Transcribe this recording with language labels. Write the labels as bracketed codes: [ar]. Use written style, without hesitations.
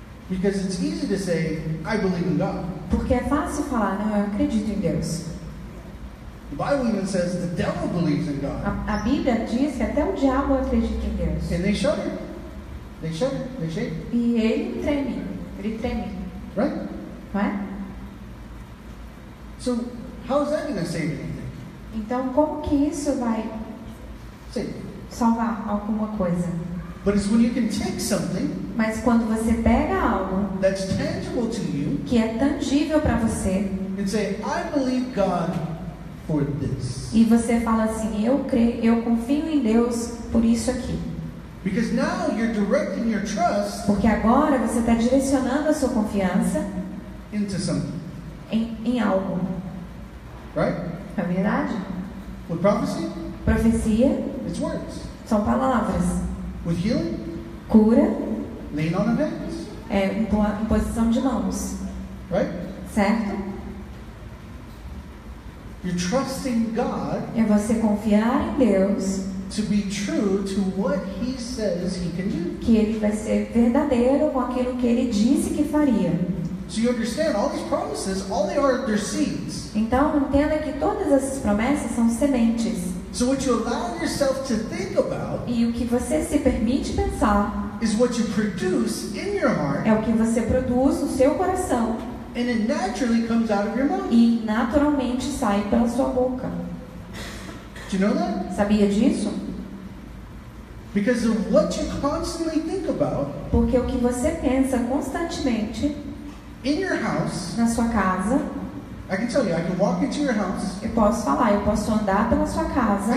[en] Because it's easy to say, I believe in God. [pt] Porque é fácil falar, não, eu acredito em Deus. [en] The Bible even says the devil believes in God. [pt] A Bíblia diz que até o diabo acredita em Deus. [en] And they shudder. They shudder. They shake. [pt] E ele treme. [en] Right? Right? So, how is that going to save anything? [pt] Então, como que isso vai salvar alguma coisa? [en] But it's when you can take something. [pt] Mas quando você pega algo [en] that's tangible to you, [pt] que é tangível para você, [en] and say, I believe God for this. [pt] E você fala assim, eu confio em Deus por isso aqui. [en] Because now you're directing your trust. [pt] Porque agora você está direcionando a sua confiança [en] into something. [pt] Em algo. [en] Right? [pt] É verdade? [en] With prophecy? [pt] Profecia? [en] It's words. [pt] São palavras. [en] With healing? [pt] Cura. [en] Laying on of hands. [pt] É imposição de mãos. [en] Right? [pt] Certo? [en] You're trusting God. [pt] É você confiar em Deus. [en] To be true to what he says he can do. [pt] Que ele vai ser verdadeiro com aquilo que ele disse que faria. [en] So you understand all these promises, all they are, they're seeds. [pt] Então entenda que todas essas promessas são sementes. [en] So what you allow yourself to think about. [pt] E o que você se permite pensar. [en] Is what you produce in your heart. [pt] É o que você produz no seu coração. [en] And it naturally comes out of your mouth. [pt] E naturalmente sai pela sua boca. [en] Do you know that? [pt] Sabia disso? [en] Because of what you constantly think about. [pt] Porque o que você pensa constantemente. [en] In your house. [pt] Na sua casa. [en] I can tell you, I can walk into your house. [pt] Eu posso falar, eu posso andar pela sua casa.